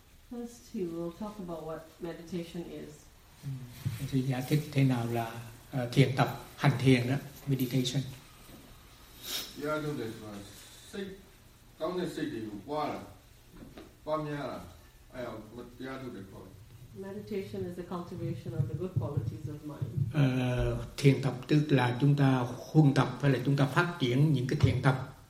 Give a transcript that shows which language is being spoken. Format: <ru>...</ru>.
<en>First, he will talk about what meditation is.</en> <vi>Thì giải thích thế nào là thiền tập, hành thiền đó, meditation.</vi> <en>Meditation is the cultivation of the good qualities of mind.</en> <vi>Thiền tập tức là chúng ta huân tập hay là chúng ta phát triển những cái thiền tập.</vi>